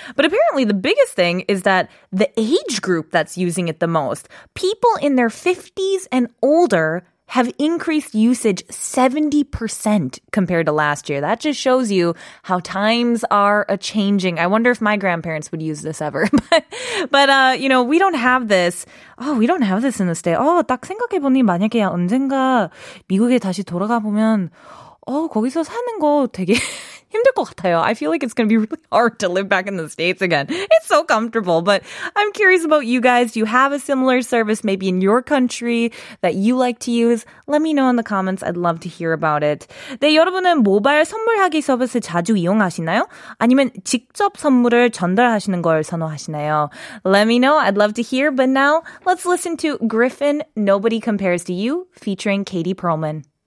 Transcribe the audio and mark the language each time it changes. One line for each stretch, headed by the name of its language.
English: But apparently the biggest thing is that the age group that's using it the most, people in their 50s and older have increased usage 70% compared to last year. That just shows you how times are a-changing. I wonder if my grandparents would use this ever. But you know, we don't have this. Oh, we don't have this in the state.
Korean: Oh, 딱 생각해보니 만약에 언젠가 미국에 다시 돌아가 보면 거기서 사는 거 되게 힘들 것 같아요.
English: I feel like it's going to be really hard to live back in the States again. It's so comfortable. But I'm curious about you guys. Do you have a similar service maybe in your country that you like to use? Let me know in the comments. I'd love to hear about it.
Korean: 네, 여러분은 모바일 선물하기 서비스 자주 이용하시나요? 아니면 직접 선물을 전달하시는 걸 선호하시나요?
English: Let me know. I'd love to hear. But now, let's listen to Griffin, Nobody Compares to You, featuring Katie Perlman.